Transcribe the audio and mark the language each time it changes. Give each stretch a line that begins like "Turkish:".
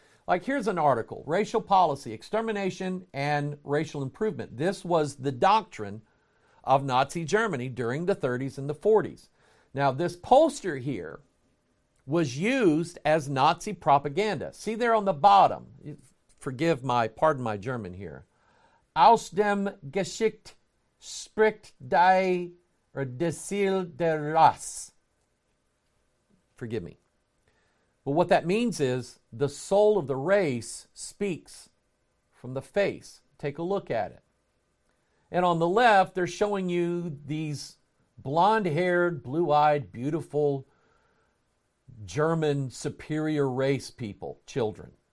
English: Like, here's an article, Racial Policy, Extermination and Racial Improvement. This was the doctrine of Nazi Germany during the 30s and the 40s. Now, this poster here was used as Nazi propaganda. See there on the bottom, pardon my German here.
German: Aus dem Geschicht spricht die Seele der Rasse.
English: Forgive me. But what that means is the soul of the race speaks from the face. Take a look at it. And on the left, they're showing you these blonde-haired, blue-eyed, beautiful German superior race people, children.